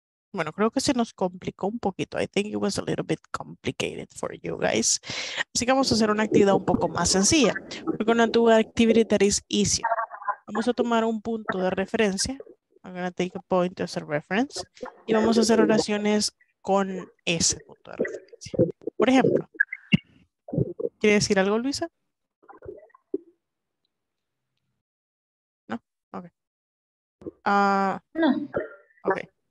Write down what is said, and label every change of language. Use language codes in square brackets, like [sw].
[es] Bueno, creo que se nos complicó un poquito. [en] I think it was a little bit complicated for you guys. [es] Así que vamos a hacer una actividad un poco más sencilla. [en] We're going to do an activity that is easy. [es] Vamos a tomar un punto de referencia. [en] I'm going to take a point as a reference. [es] Y vamos a hacer oraciones con ese punto de referencia. Por ejemplo, ¿quiere decir algo, Luisa? ¿No? Ok. No. [en] Ok.